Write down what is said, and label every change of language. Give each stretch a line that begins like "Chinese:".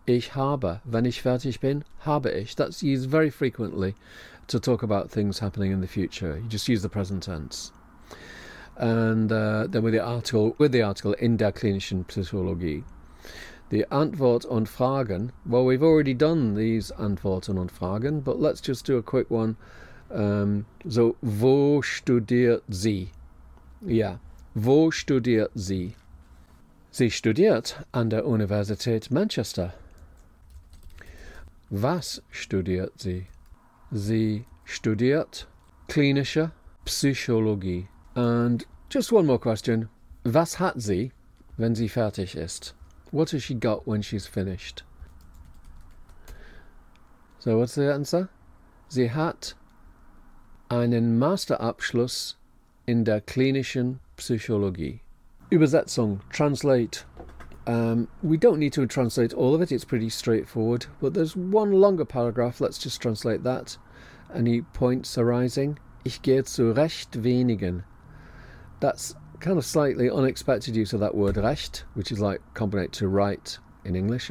German: Ich habe, wenn ich fertig bin, habe ich.
English: That's used very frequently to talk about things happening in the future. You just use the present tense. And then with the article,
German: in der klinischen Psychologie.
English: The
German: Antwort und Fragen.
English: Well, we've already done these
German: Antworten und Fragen,
English: but let's just do a quick one.
German: So, wo studiert sie? Yeah, wo studiert sie? Sie studiert an der Universität Manchester. Was studiert sie? Sie studiert klinische Psychologie.
English: And just one more question.
German: Was hat sie, wenn sie fertig ist?
English: What has she got when she's finished? So what's the answer?
German: Sie hat einen Masterabschluss in der klinischen Psychologie. Übersetzung,
English: translate. We don't need to translate all of it, it's pretty straightforward. But there's one longer paragraph, let's just translate that. Any points arising?
German: Ich gehe zu recht wenigen.
English: That's kind of slightly unexpected use of that word recht, which is like compared to right in English.